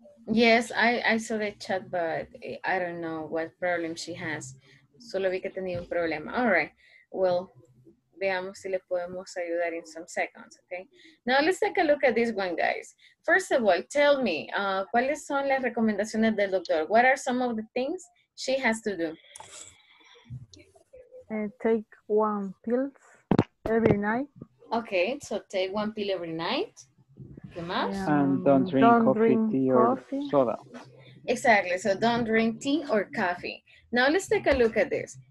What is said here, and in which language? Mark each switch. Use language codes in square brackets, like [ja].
[en] Yes, I saw the chat, but I don't know what problem she has. [es] Solo vi que tenía un problema. [en] All right. Well, [es] veamos si le podemos ayudar [en] in some seconds, okay? Now, let's take a look at this one, guys. First of all, tell me, [es] ¿cuáles son las recomendaciones del doctor? [en] What are some of the things she has to do? Take one pill every night. Okay, so take one pill every night. [es] ¿Qué más? [en] And don't drink coffee, tea, or soda. Exactly, so don't drink tea or coffee. Now let's take a look at this.